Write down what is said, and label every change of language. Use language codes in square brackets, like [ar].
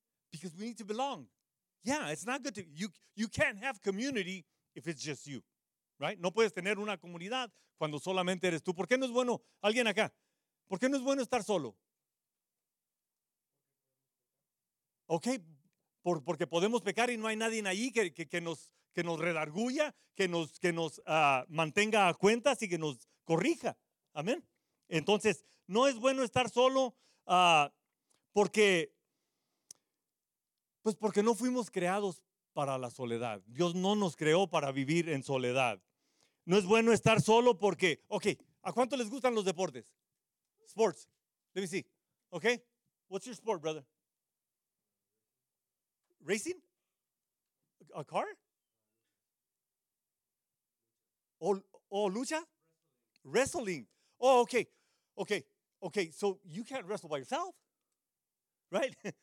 [en] Because we need to belong. Yeah, it's not good to you can't have community if it's just you. Right? [es] No puedes tener una comunidad cuando solamente eres tú. ¿Por qué no es bueno alguien acá? ¿Por qué no es bueno estar solo? Okay. Porque podemos pecar y no hay nadie ahí que nos redarguya, que nos mantenga a cuentas y que nos corrija. Amén. Entonces, no es bueno estar solo porque no fuimos creados para la soledad. Dios no nos creó para vivir en soledad. No es bueno estar solo porque, ok, ¿a cuánto les gustan los deportes? [en] Sports. Let me see. Ok. What's your sport, brother? Racing? A car? Oh, lucha? Wrestling. Oh, okay. Okay, so you can't wrestle by yourself, right?